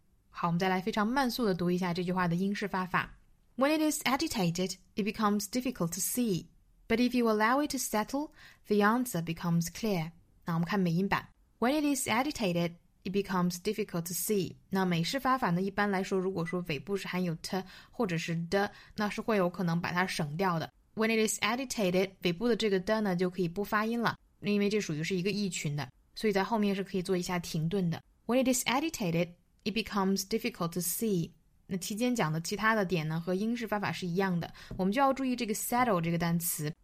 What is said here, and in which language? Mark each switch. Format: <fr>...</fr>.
<zh>好，我们再来非常慢速的读一下这句话的英式发法。</zh> <en>When it is agitated, it becomes difficult to see. But if you allow it to settle, the answer becomes clear.</en> <zh>那我们看美音版。</zh> <en>When it is agitated, it becomes difficult to see.</en> <zh>那美式发法呢，一般来说如果说尾部是含有 t 或者是 d， 那是会有可能把它省掉的。</zh> <en>When it is agitated,</en> <zh>尾部的这个 d 呢就可以不发音了，因为这属于是一个异群的，所以在后面是可以做一下停顿的。</zh> <en>When it is agitated, it becomes difficult to see.</en> <zh>那期间讲的其他的点呢和英式发法是一样的，我们就要注意这个 settle 这个单词。</zh>